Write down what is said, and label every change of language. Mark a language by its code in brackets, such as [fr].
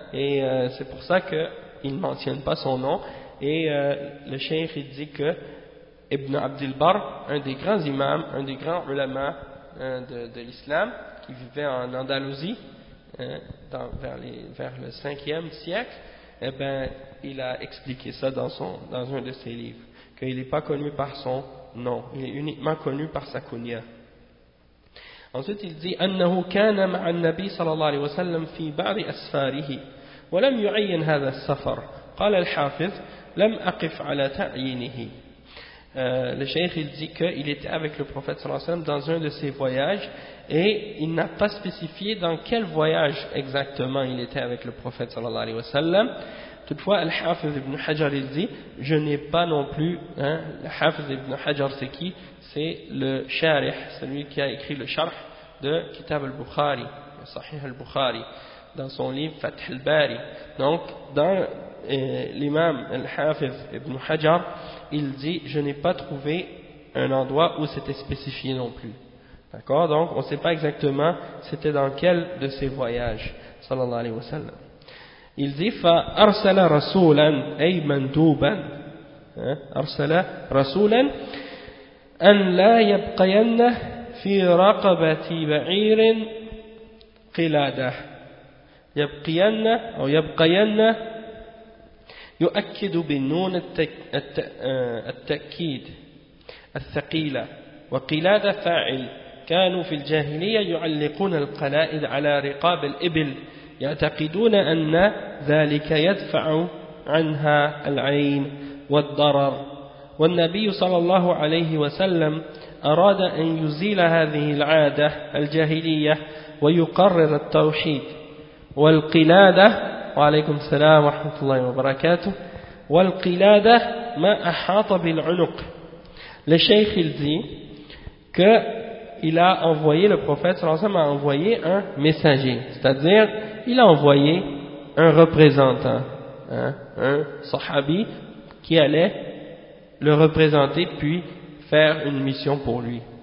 [fr] Et c'est pour ça que il mentionne pas son nom. Et le cheikh il dit que Ibn Abdul Barr, un des grands imams, un des grands ulama de l'islam, qui vivait en Andalousie, vers le 5e siècle, eh ben, il a expliqué ça dans un de ses livres, qu'il n'est pas connu par son nom, il est uniquement connu par sa kunya. Ensuite, il dit [ar] أنه كان مع النبي صلى الله عليه وسلم في بعض أسفاره ولم يعين هذا السفر. قال الحافظ لم أقف على تعيينه. [fr] Le cheikh il dit qu'il était avec le prophète sallallahu alayhi wa sallam dans un de ses voyages et il n'a pas spécifié dans quel voyage exactement il était avec le prophète sallallahu alayhi wa sallam. Toutefois, Al-Hafiz ibn Hajar il dit, je n'ai pas non plus, hein, Al-Hafiz ibn Hajar c'est qui? C'est le Sharih, celui qui a écrit le Sharh de Kitab al-Bukhari, le Sahih al-Bukhari, dans son livre Fath al-Bari. Donc, dans l'imam Al-Hafiz ibn Hajar, il dit, je n'ai pas trouvé un endroit où c'était spécifié non plus. D'accord? Donc, on ne sait pas exactement c'était dans quel de ses voyages, sallallahu alayhi wa sallam. Il dit, [ar] فَأَرْسَلَ رَسُولًا أَيْ مَنْدُوبًا أَرْسَلَ رَسُولًا أَنْ لَا يَبْقَيَنَّ فِي رَقَبَةِ بَعِيرٍ قِلَادَهِ يَبْقِيَنَّ أو يَبْقَيَنَّ يؤكد بالنون التأكيد الثقيلة وقلادة فاعل كانوا في الجاهلية يعلقون القلائد على رقاب الإبل يعتقدون أن ذلك يدفع عنها العين والضرر والنبي صلى الله عليه وسلم أراد أن يزيل هذه العادة الجاهلية ويقرر التوحيد والقلادة وعليكم السلام ورحمة الله وبركاته وَالْقِلَادَ مَا أَحَاطَ بِالْعُنُقِ. [fr] Le cheikh il dit que il a envoyé, le prophète sallallahu alayhi wa sallam a envoyé un messager, c'est-à-dire il a envoyé un représentant, hein, un sahabi qui allait le représenter puis faire une mission pour lui.